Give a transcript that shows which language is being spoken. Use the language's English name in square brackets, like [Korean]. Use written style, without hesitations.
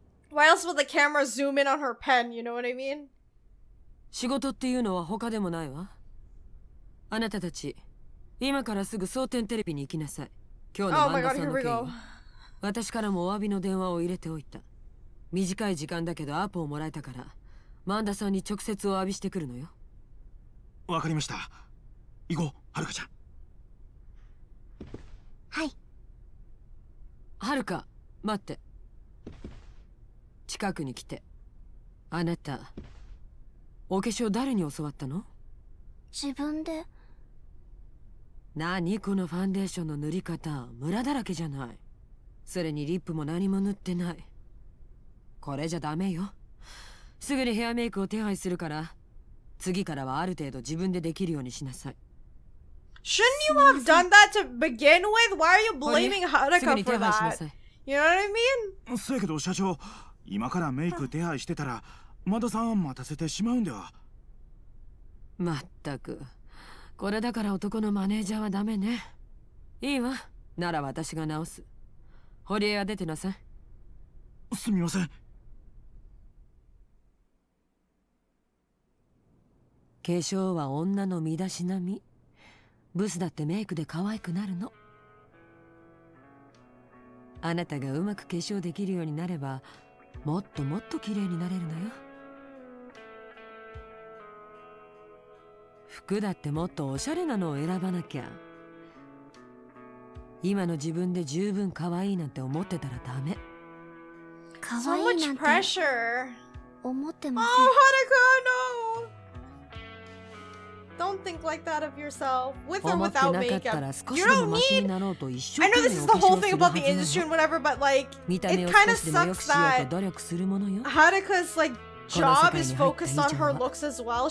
[English] Why else would the camera zoom in on her pen? You know what I mean? [Japanese] 仕事っていうのは他でもないわ。あなたたち、今からすぐ蒼天テレビに行きなさい。今日のマンダさんの件は、私からもお詫びの電話を入れておいた。短い時間だけどアポをもらえたから、マンダさんに直接お詫びしてくるのよ。わかりました。行こう、はるかちゃん。はい。はるか、待って。近くに来て。あなた、お化粧誰に教わったの？自分で。何このファンデーションの塗り方、ムラだらけじゃない。それにリップも何も塗ってない。これじゃダメよ。すぐにヘアメイクを手配するから、次からはある程度自分でできるようにしなさい。 [English] Shouldn't you have done that to begin with? Why are you blaming Haruka for that? You know what I mean? [Japanese] そうやけど社長、今からメイク手配してたら、マダさん待たせてしまうんでは。まったく。これだから男のマネージャーはダメね。いいわ。なら私が直す。堀江は出てなさい。すみません。化粧は女の身だしなみ。ブスだってメイクで可愛くなるの。あなたがうまく化粧できるようになれば、もっともっと綺麗になれるのよ。服だってもっとおしゃれなのを選ばなきゃ。今の自分で十分可愛いなんて思ってたらダメ。可愛いなんて思ってません [English] 。 Oh, Haruka, no! Don't think like that of yourself, with or without makeup. You don't need. I know this is the whole thing about the industry and whatever, but like, it kind of sucks that Haruka's like job is focused on her looks as well.